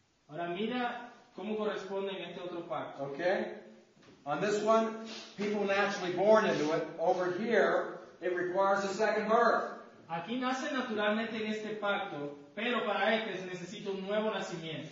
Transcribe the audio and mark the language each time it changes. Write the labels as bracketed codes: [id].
[es] Ahora mira cómo corresponde en este otro pacto. [en] Okay? On this one, people naturally born into it. Over here, it requires a second birth. [es] Aquí nace naturalmente en este pacto, pero para este se necesita un nuevo nacimiento.